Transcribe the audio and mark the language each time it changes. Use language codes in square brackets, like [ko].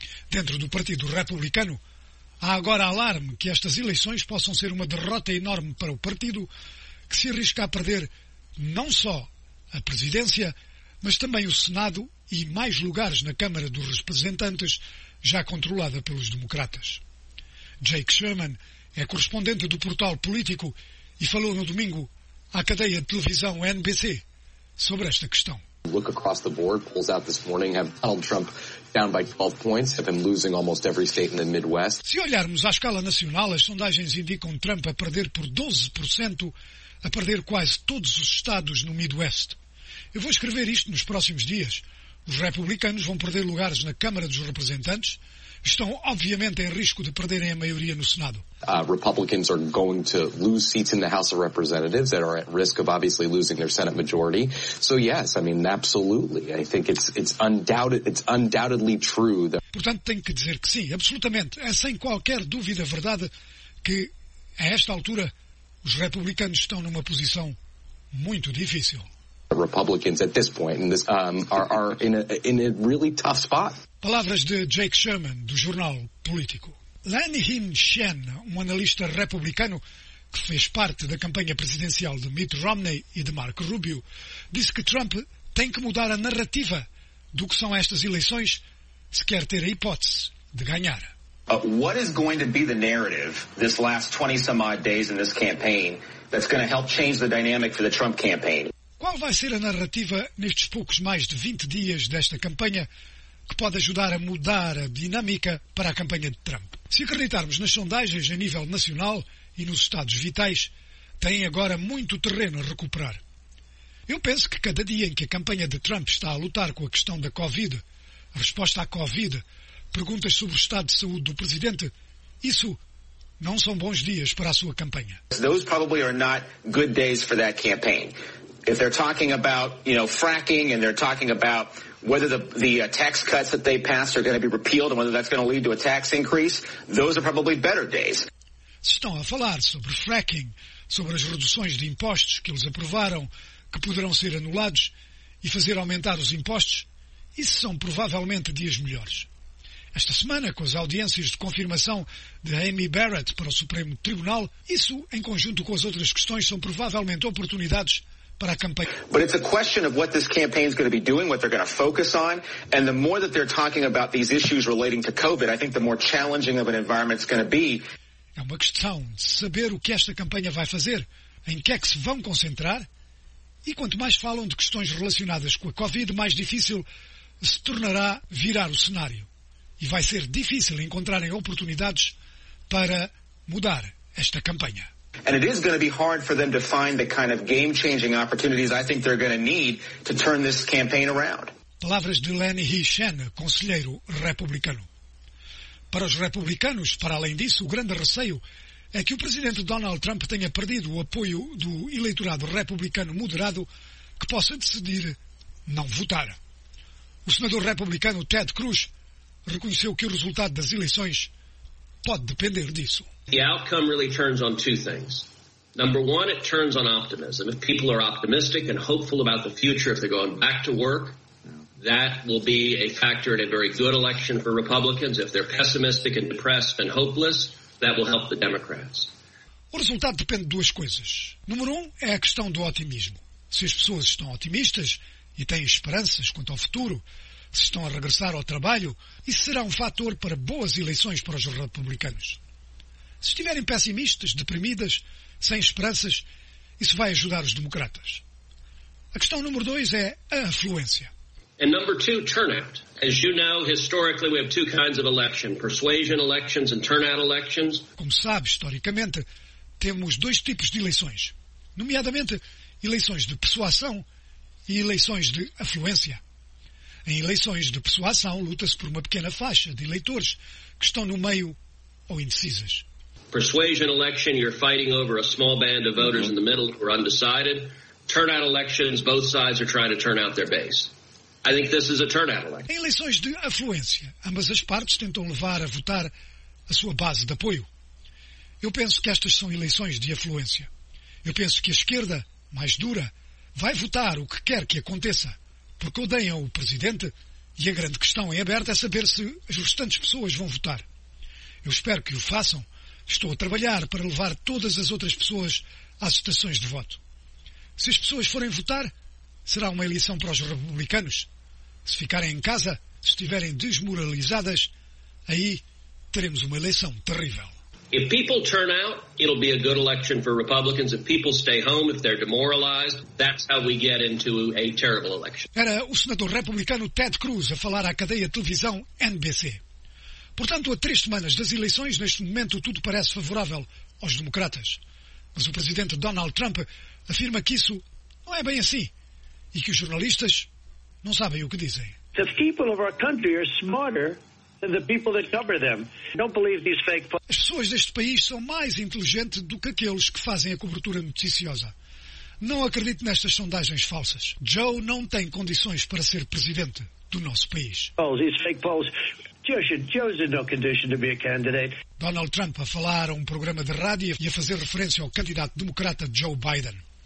[pt] Dentro do Partido Republicano, há agora alarme que estas eleições possam ser uma derrota enorme para o partido, que se arrisca a perder não só a presidência, mas também o Senado e mais lugares na Câmara dos Representantes, já controlada pelos democratas. Jake Sherman é correspondente do portal político e falou no domingo à cadeia de televisão NBC sobre esta questão. [en] Look across the board, polls out this morning have Donald Trump down by 12 points, have him losing almost every state in the Midwest. [pt] Se olharmos à escala nacional, as sondagens indicam Trump a perder por 12%, a perder quase todos os estados no Midwest. Eu vou escrever isto nos próximos dias. Os republicanos vão perder lugares na Câmara dos Representantes, estão obviamente em risco de perderem a maioria no Senado. [en] Republicans are going to lose seats in the House of Representatives that are at risk of obviously losing their Senate majority. So yes, I mean absolutely. I think it's undoubtedly true that... [pt] Portanto, tenho que dizer que sim, absolutamente, é sem qualquer dúvida verdade que a esta altura os republicanos estão numa posição muito difícil. [en] Republicans at this point in this are in a really tough spot. [pt] Palavras de Jake Sherman, do jornal Político. Lan Hin Shen, um analista republicano que fez parte da campanha presidencial de Mitt Romney e de Marco Rubio, disse que Trump tem que mudar a narrativa do que são estas eleições se quer ter a hipótese de ganhar. [en] What is going to be the narrative this last 20 some odd days in this campaign that's going to help change the dynamic for the Trump campaign? [pt] Qual vai ser a narrativa nestes poucos mais de 20 dias desta campanha que pode ajudar a mudar a dinâmica para a campanha de Trump? Se acreditarmos nas sondagens a nível nacional e nos estados vitais, têm agora muito terreno a recuperar. Eu penso que cada dia em que a campanha de Trump está a lutar com a questão da Covid, a resposta à Covid, perguntas sobre o estado de saúde do presidente, isso não são bons dias para a sua campanha. [en] Those probably are not good days for that campaign. If they're talking about, you know, fracking and they're talking about whether the tax cuts that they passed are going to be repealed and whether that's going to lead to a tax increase, those are probably better days. [pt] Se estão a falar sobre fracking, sobre as reduções de impostos que eles aprovaram, que poderão ser anulados e fazer aumentar os impostos, isso são provavelmente dias melhores. Esta semana, com as audiências de confirmação de Amy Barrett para o Supremo Tribunal, isso, em conjunto com as outras questões, são provavelmente oportunidades para a campanha. [en] But it's a question of what this campaign is going to be doing, what they're going to focus on, and the more that they're talking about these issues relating to COVID, I think the more challenging of an environment it's going to be. [pt] É uma questão de saber o que esta campanha vai fazer, em que é que se vão concentrar, e quanto mais falam de questões relacionadas com a COVID, mais difícil se tornará virar o cenário. E vai ser difícil encontrarem oportunidades para mudar esta campanha. [en] And it is going to be hard for them to find the kind of game-changing opportunities I think they're going to need to turn this campaign around. [pt] Palavras de Lenny Hishen, conselheiro republicano. Para os republicanos, para além disso, o grande receio é que o presidente Donald Trump tenha perdido o apoio do eleitorado republicano moderado que possa decidir não votar. O senador republicano Ted Cruz reconheceu que o resultado das eleições pode depender disso. [en] The outcome really turns on two things. Number one, it turns on optimism. If people are optimistic and hopeful about the future, if they're going back to work, that will be a factor in a very good election for Republicans. If they're pessimistic and depressed and hopeless, that will help the Democrats. [pt] O resultado depende de duas coisas. Número um é a questão do otimismo. Se as pessoas estão otimistas e têm esperanças quanto ao futuro, se estão a regressar ao trabalho, isso será um fator para boas eleições para os republicanos. Se estiverem pessimistas, deprimidas, sem esperanças, isso vai ajudar os democratas. A questão número dois é a afluência. [en] And number two, turnout. As you know, historically we have two kinds of election, persuasion elections and turnout elections. [pt] Como sabe, historicamente, temos dois tipos de eleições, nomeadamente eleições de persuasão e eleições de afluência. Em eleições de persuasão, luta-se por uma pequena faixa de eleitores que estão no meio ou indecisas. [en] Persuasion election, you're fighting over a small band of voters in the middle who are undecided. Turnout elections, both sides are trying to turn out their base. I think this is a turnout election. [pt] Em eleições de afluência, ambas as partes tentam levar a votar a sua base de apoio. Eu penso que estas são eleições de afluência. Eu penso que a esquerda, mais dura, vai votar o que quer que aconteça, porque odeiam o presidente e a grande questão em aberto é saber se as restantes pessoas vão votar. Eu espero que o façam. Estou a trabalhar para levar todas as outras pessoas às estações de voto. Se as pessoas forem votar, será uma eleição para os republicanos. Se ficarem em casa, se estiverem desmoralizadas, aí teremos uma eleição terrível. [en] If people turn out, it'll be a good election for Republicans. If people stay home, if they're demoralized, that's how we get into a terrible election. [pt] Era o senador republicano Ted Cruz a falar à cadeia de televisão NBC. Portanto, há três semanas das eleições, neste momento tudo parece favorável aos democratas. Mas o presidente Donald Trump afirma que isso não é bem assim e que os jornalistas não sabem o que dizem. [en] The people of our country are smarter. [pt] As pessoas deste país são mais inteligentes do que aqueles que fazem a cobertura noticiosa. Não acredito nestas sondagens falsas. Joe não tem condições para ser presidente do nosso país. Donald Trump a falar a um programa de rádio e a fazer referência ao candidato democrata Joe Biden.